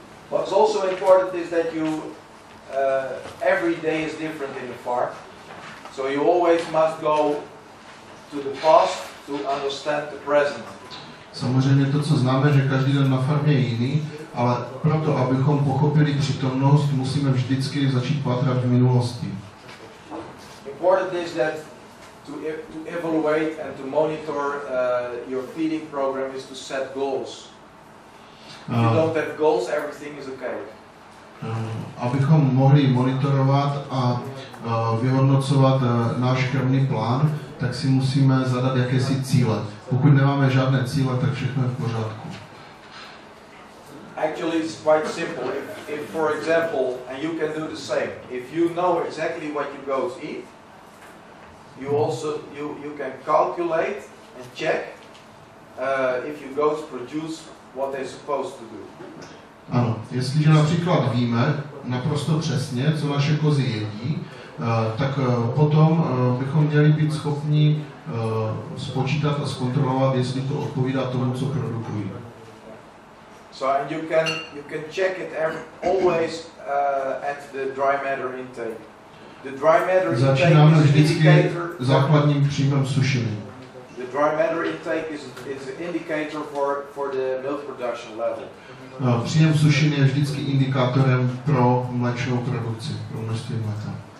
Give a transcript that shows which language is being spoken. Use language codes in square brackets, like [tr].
[en] What's also important is that you every day is different in the farm. So you always must go to the past to understand the present. [cs] Samozřejmě to, co známe, že každý den na farmě je jiný, ale proto, abychom pochopili přítomnost, musíme vždycky začít pátrat v minulosti. [en] Important is that to evaluate and to monitor your feeding program is to set goals. If you don't have goals, everything is okay. [cs] Abychom mohli monitorovat a vyhodnocovat náš krmný plán, tak si musíme zadat jakési cíle. Pokud nemáme žádné cíle, tak všechno je v pořádku. [en] Actually it's quite simple. If for example, and you can do the same. If you know exactly what your goats eat, you also you can calculate and check if your goats produce what they're supposed to do. [cs] Ano, jestliže například víme naprosto přesně, co naše kozy jedí, tak potom bychom měli být schopni spočítat a zkontrolovat, jestli to odpovídá tomu, co produkují. [en] So you can check it always at the dry matter intake. The dry matter intake is indicator [cs] základním příjmem sušiny. [en] The dry matter intake is an indicator for the milk production level. [cs] Příjem sušiny je vždycky indikátorem pro mléčnou produkci, pro množství mléka.